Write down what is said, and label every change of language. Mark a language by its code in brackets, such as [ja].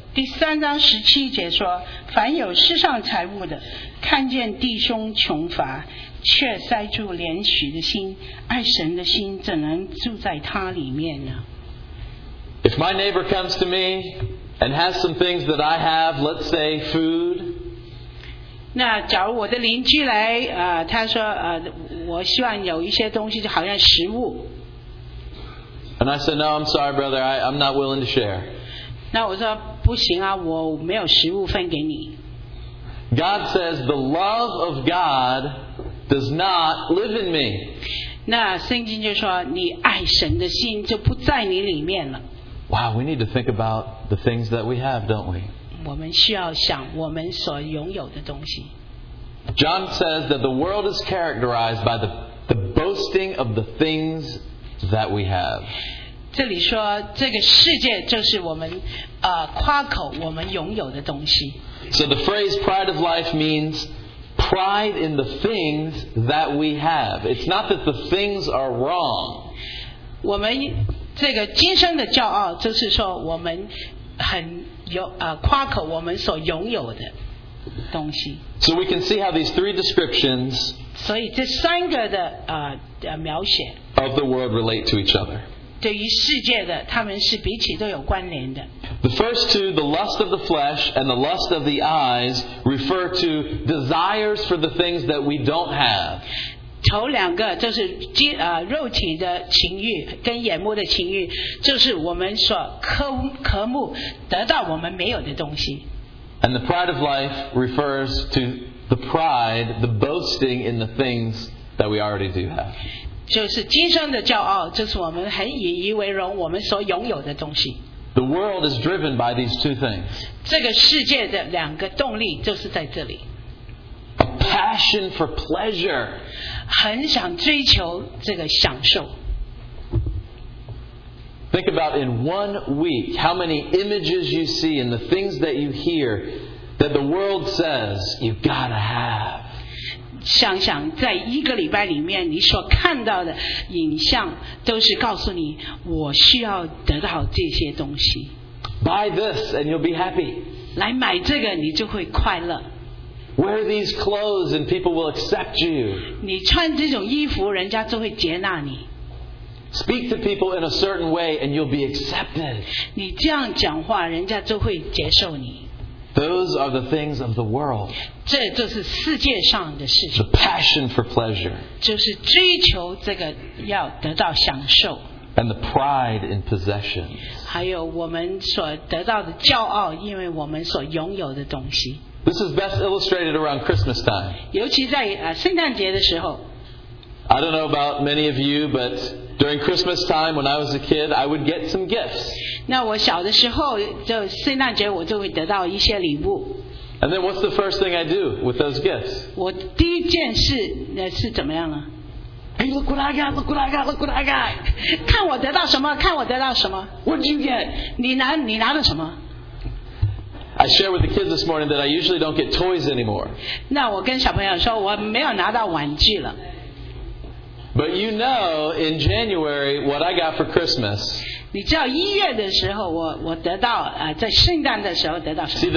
[zh] 第三章十七节说，凡有世上财物的，看见弟兄穷乏，却塞住怜取的心，爱神的心怎能住在他里面呢？ [en] If my neighbor comes to me and has some things that I have, let's say food, [zh] 那假如我的邻居来，他说，我希望有一些东西，就好像食物。 [en] And I said, no, I'm sorry, brother, I'm not willing to share. [zh] 那我说不行啊，我没有食物分给你。 [en] God says the love of God does not live in me. [zh] 那圣经就说，你爱神的心就不在你里面了。 [en] Wow, we need to think about the things that we have, don't we? [zh] 我们需要想我们所拥有的东西。 [en] John says that the world is characterized by the boasting of the things that we have. [zh] 这里说这个世界就是我们夸口我们拥有的东西。 [en] So the phrase pride of life means pride in the things that we have. It's not that the things are wrong. [zh] 我们这个今生的骄傲就是说我们很夸口我们所拥有的东西。 [en] So we can see how these three descriptions, [zh] 所以这三个的描写 [en] of the world relate to each other. [zh] 对于世界的，他们是彼此都有关联的。 [en] The first two, the lust of the flesh and the lust of the eyes, refer to desires for the things that we don't have. [zh] 头两个就是肉体的情欲跟眼目的情欲，就是我们所渴慕得到我们没有的东西。 [en] And the pride of life refers to the pride, the boasting in the things that we already do have. [zh] 就是今生的骄傲，就是我们很引以为荣我们所拥有的东西。 [en] The world is driven by these two things. [zh] 这个世界的两个动力就是在这里。 [en] A passion for pleasure. [zh] 很想追求这个享受。 [en] Think about in 1 week how many images you see and the things that you hear that the world says you gotta have. [zh] 想想在一个礼拜里面你所看到的影像都是告诉你我需要得到这些东西。 [en] Buy this and you'll be happy. [zh] 来买这个你就会快乐。 [en] Wear these clothes and people will accept you. [zh] 你穿这种衣服人家就会接纳你。 [en] Speak to people in a certain way and you'll be accepted. [zh] 你这样讲话人家就会接受你。 [en] Those are the things of the world. [zh] 这就是世界上的事情。 [en] The passion for pleasure. [zh] 就是追求这个要得到享受。 [en] And the pride in possessions. [zh] 还有我们所得到的骄傲因为我们所拥有的东西。 [en] This is best illustrated around Christmas time. [zh] 尤其在圣诞节的时候。 [en] I don't know about many of you, but During Christmas time, when I was a kid, I would get some gifts. [zh] 那我小的时候，就圣诞节我就会得到一些礼物。 [en] And then what's the first thing I do with those gifts? [zh] 我第一件事是怎么样啊？ [en] Hey, look what I got! Look what I got! Look what I got! [zh] 看我得到什么？看我得到什么 [en] ？What did you get? [zh] 你拿了什么？ [en] I share with the kids this morning that I usually don't get toys anymore. [zh] 那我跟小朋友说，我没有拿到玩具了。 [en] But you know, in January, what I got for Christmas. [zh] 你知道一月的时候，我得到在圣诞的时候得到什么